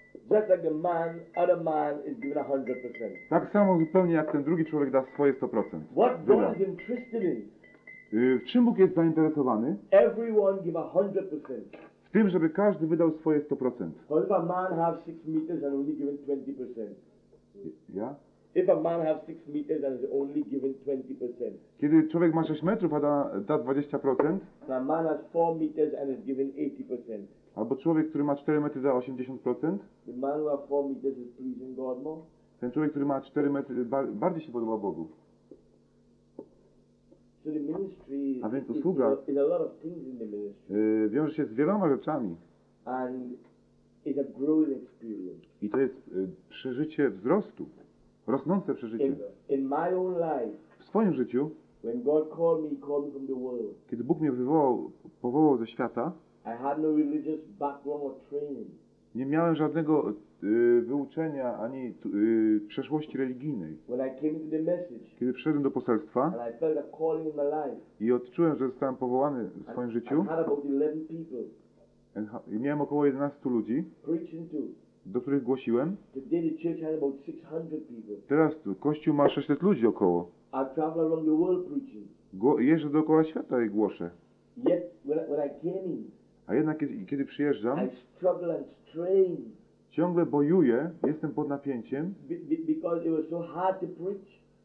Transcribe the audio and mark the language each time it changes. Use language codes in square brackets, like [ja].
[en] Just like the man, other man is given 100%. [pl] Tak samo zupełnie jak ten drugi człowiek da swoje 100%. [en] What God is interested in? [pl] W czym Bóg jest zainteresowany? [en] Everyone give 100%. [pl] W tym, żeby każdy wydał swoje 100%. [en] What if a man have 6 meters and only given 20%? [pl] Ja? [en] If a man has 6 meters and is only given 20%. [pl] Kiedy człowiek ma 6 metrów, a da 20%. [en] A man has 4 meters and is given 80%. [pl] Albo człowiek, który ma 4 metry, da 80%. [en] The man who has 4 meters is pleasing God more. [pl] Ten człowiek, który ma 4 metry, bardziej się podoba Bogu. [en] So the ministry [pl] a więc usługa [en] is a lot of things in the ministry. [pl] Wiąże się z wieloma rzeczami. [en] And it's a growing experience. [pl] I to jest przeżycie wzrostu. Rosnące przeżycie. [en] In my own life, [pl] w swoim życiu, [en] when God called me, he called me from the world. [pl] Kiedy Bóg mnie powołał ze świata, [en] I had no religious background or training. [pl] Nie miałem żadnego wyuczenia ani przeszłości religijnej. [en] When I came to the message, [pl] kiedy przyszedłem do poselstwa [en] and I felt a calling in my life, [pl] i odczułem, że zostałem powołany w swoim życiu, [en] I had about 11 people, [pl] i miałem około 11 ludzi, [en] preaching to. [pl] Do których głosiłem. [en] Today the church had about 600 people. [pl] Teraz tu kościół ma 600 ludzi około. [en] I travel around the world preaching. [pl] Jeżdżę dookoła świata i głoszę. [en] Yet, when I came in, [pl] a jednak kiedy przyjeżdżam, [en] I struggle and strain. [pl] Ciągle bojuję, jestem pod napięciem. [en] Because it was so hard to preach.